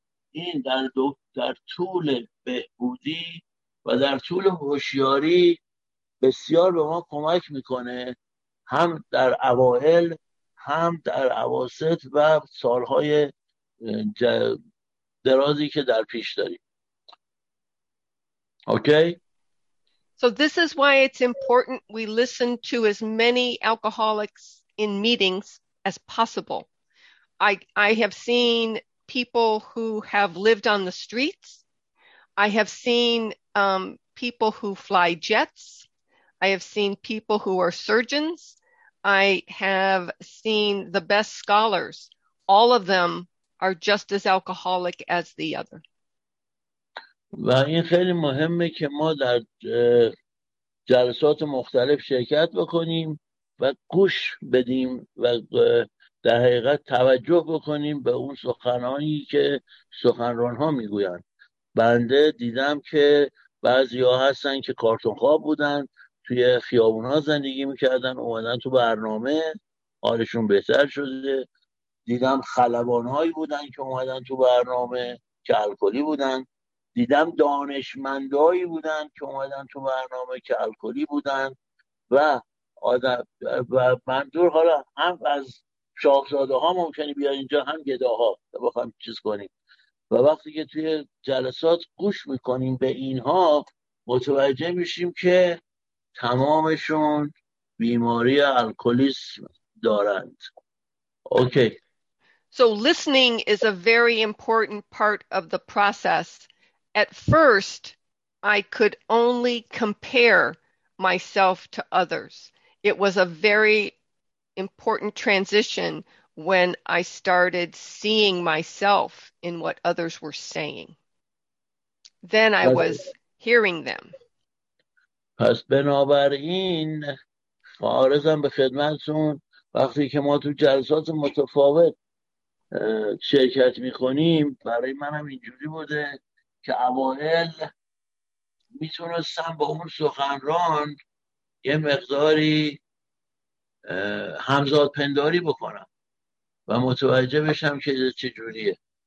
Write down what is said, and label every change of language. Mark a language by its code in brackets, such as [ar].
[fa] این در طول بهبودی و در طول هوشیاری بسیار به ما کمک میکنه، هم در اوائل هم در اواسط و سالهای درازی که در پیش داریم. [en] Okay. So this is why it's important we listen to as many alcoholics in meetings as possible. I have seen people who have lived on the streets. I have seen people who fly jets. I have seen people who are surgeons. I have seen the best scholars. All of them are just as alcoholic as the other. [fa] و این خیلی مهمه که ما در جلسات مختلف شرکت بکنیم و گوش بدیم و در حقیقت توجه بکنیم به اون سخنانی که سخنران ها میگویند. بنده دیدم که بعضی ها هستن که کارتون خواب بودن، توی خیابون ها زندگی میکردن، اومدن تو برنامه، حالشون بهتر شده. دیدم خلبان هایی بودن که اومدن تو برنامه که الکلی بودن. دیدم دانشمندایی بودن که اومدن تو برنامه که الکلی بودن و آدم و منظور حالا هم از شاهزاده ها ممکنه بیاد اینجا، هم گداها بخوام چیز کنیم. و وقتی که توی جلسات گوش میکنیم به اینها متوجه میشیم که تمامشون بیماری الکلیسم دارند. [en] Okay. So listening is a very important part of the process. At first, I could only compare myself to others. It was a very important transition when I started seeing myself in what others were saying. Then I was hearing them. [fa] پس بنابراین فارزم به خدمتتون، وقتی که ما تو جلسات متفاوت شرکت میکنیم، برای منم اینجوری بوده که اوائل میتونستم با اون سخنران یه مقداری همزادپنداری بکنم و متوجه بشم که چجوریه.